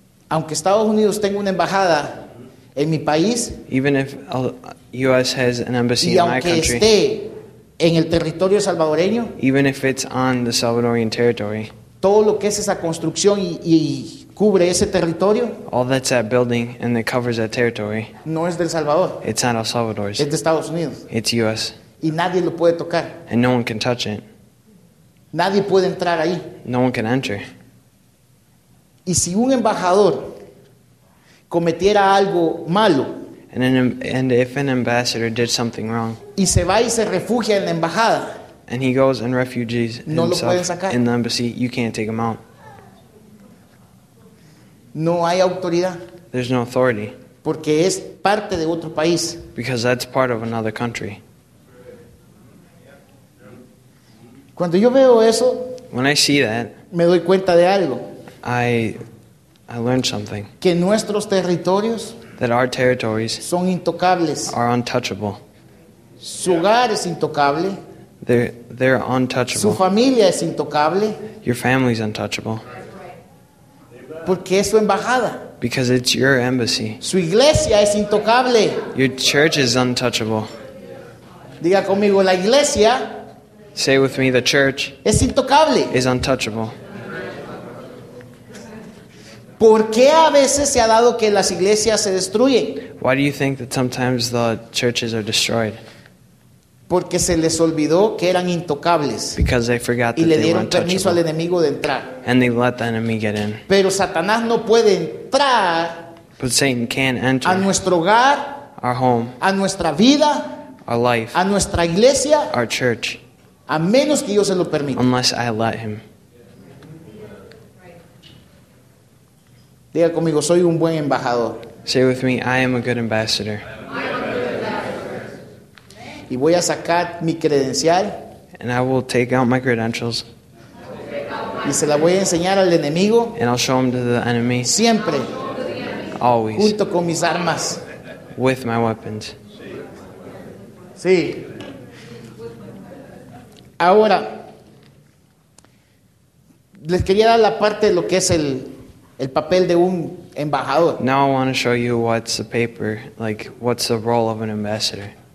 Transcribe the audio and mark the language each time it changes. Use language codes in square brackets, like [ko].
[es] Aunque Estados Unidos tenga una embajada en mi país, [en] even if U.S. has an embassy in my country, [es] y aunque esté en el territorio salvadoreño, [en] even if it's on the Salvadorian territory, [es] todo lo que es esa construcción y cubre ese territorio, [en] all that's that building and that covers that territory, [es] no es del Salvador. [en] It's not El Salvador's. [es] Es de Estados Unidos. [en] It's U.S. [es] Y nadie lo puede tocar. [en] And no one can touch it. [es] Nadie puede entrar ahí. [en] No one can enter. [es] Y si un embajador cometiera algo malo, [en] and if an ambassador did something wrong, [es] y se va y se refugia en la embajada, [en] and he goes and refugees [es] no [en] himself [es] lo pueden sacar. [en] In the embassy, you can't take him out. [es] No hay autoridad. [en] There's no authority. [es] Porque es parte de otro país. [en] Because that's part of another country. [es] Cuando yo veo eso, [en] when I see that, [es] me doy cuenta de algo. [en] I learned something. [es] Que nuestros territorios, [en] that our territories, [es] son intocables. [en] Are untouchable. [es] Su hogar es intocable. [en] They're untouchable. [es] Su familia es intocable. [en] Your family is untouchable. [es] Porque es su embajada. [en] Because it's your embassy. [es] Su iglesia es intocable. [en] Your church is untouchable. [es] Diga conmigo, la iglesia. [en] Say with me, the church. [es] Es intocable. [en] Is untouchable. [es] ¿Por qué a veces se ha dado que las iglesias se destruyen? [en] Why do you think that sometimes the churches are destroyed? [es] Porque se les olvidó que eran intocables. [en] Because they forgot that [es] y le dieron [en] they were [es] permiso al enemigo de entrar. [en] And they let the enemy get in. [es] Pero Satanás no puede entrar. [en] But Satan can't enter. [es] A nuestro hogar. [en] Our home. [es] A nuestra vida. [en] Our life. [es] A nuestra iglesia. [en] Our church. [es] A menos que yo se lo permita. [en] Unless I let him. [es] Diga conmigo, soy un buen embajador. [en] Say with me, I am a good ambassador. [es] Y voy a sacar mi credencial. [en] And I will take out my credentials. [es] Y se la voy a enseñar al enemigo. [en] And I'll show them to the enemy. [es] Siempre. [en] Always. [es] Junto con mis armas. [en] With my weapons. [es] Sí. Ahora, les quería dar la parte de lo que es el papel de un embajador. [en] Now I want to show you what's the paper, like what's the role of an ambassador.